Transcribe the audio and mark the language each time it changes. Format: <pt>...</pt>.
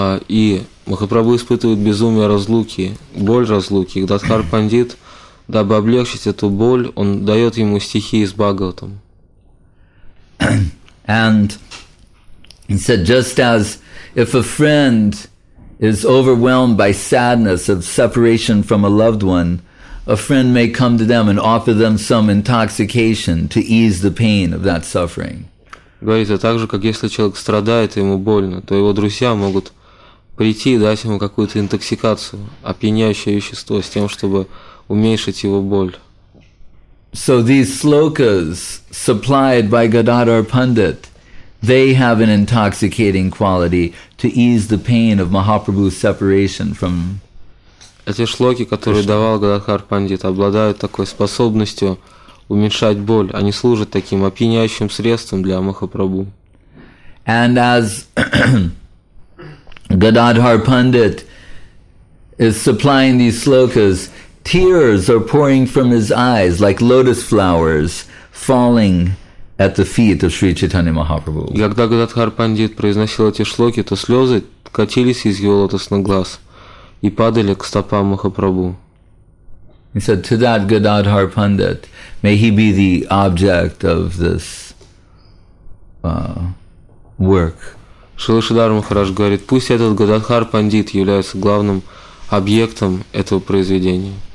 <ru>И Махапрабху испытывает безумие разлуки, боль разлуки. Гададхар Пандит, дабы облегчить эту боль, он дает ему стихи из Бхагаватам.</ru> <en>And he said, just as if a friend is overwhelmed by sadness of separation from a loved one, a friend may come to them and offer them some intoxication to ease the pain of that suffering.</en> <ru>Говорит, а также, как если человек страдает, ему больно, то его друзья могут прийти и дать ему какую-то интоксикацию, опьяняющее вещество, с тем, чтобы уменьшить его боль.</ru> <en>So these slokas supplied by Gadadhar Pandit, they have an intoxicating quality to ease the pain of Mahaprabhu's separation from.</en> <ru>Эти шлоки, которые давал Гададхар Пандит, обладают такой способностью уменьшать боль. Они служат таким опьяняющим средством для Махапрабху.</ru> <en>And as Gadadhar Pandit is supplying these slokas, tears are pouring from his eyes like lotus flowers falling at the feet of Sri Chaitanya Mahaprabhu.</en> <ru>И когда Гададхар Пандит произносил эти шлоки, то слезы катились из его лотосных глаз и падали к стопам Махапрабху.</ru> <en>He said, to that Gadadhar Pandit, may he be the object of this work.</en> <ru>Шрила Шридхар Махарадж говорит, пусть этот Гададхар Пандит является главным объектом этого произведения.</ru>